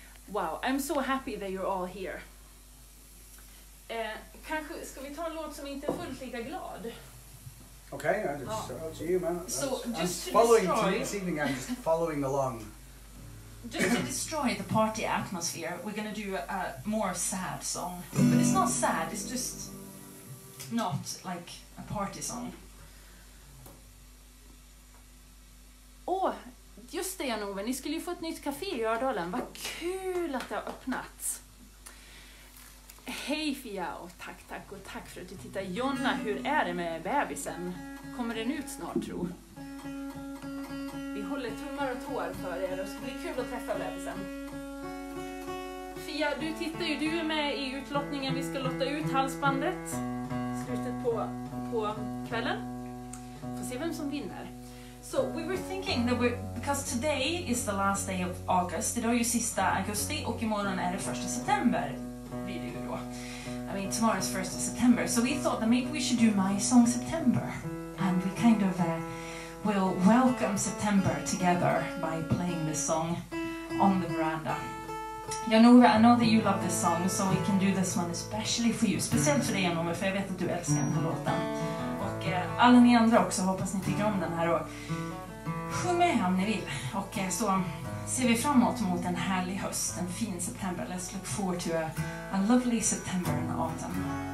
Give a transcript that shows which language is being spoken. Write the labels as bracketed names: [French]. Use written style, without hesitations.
[English] Wow, I'm so happy that you're all here. [Swedish] Kanske, ska vi ta en låt som inte är fullt lika glad? [English] Okay, it's up to you, man. So, just I'm to following destroy... this evening, I'm just following along. Just to destroy the party atmosphere, we're gonna do a more sad song. But it's not sad, it's just not like a party song. [Swedish] Åh, oh, just det Jan-Ove, ni skulle ju få ett nytt café i Ördalen. Vad kul att det har öppnat. Hej Fia, och tack, tack och tack för att du tittar. Jonna, hur är det med bebisen? Kommer den ut snart, tro? Vi håller tummar och tår för er, och så blir det kul att träffa bebisen. Fia, du tittar ju, du är med i utlottningen. Vi ska lotta ut halsbandet slutet på kvällen. Får se vem som vinner. [English] So we were thinking that because today is the last day of August, [Swedish] idag är ju sista augusti och imorgon är det första september, blir det ju då. [English] I mean, tomorrow is first of September, so we thought that maybe we should do My Song September. And we kind of will welcome September together by playing this song on the veranda. Jan-Ove, I know that you love this song, so we can do this one especially for you. [Swedish] Speciellt för dig Jan-Ove, för jag vet att du älskar den här låten. Alla ni andra också, hoppas ni tycker om den här och sjung med om ni vill. Och så ser vi framåt mot en härlig höst, en fin september. [English] Let's look forward to a lovely September and autumn.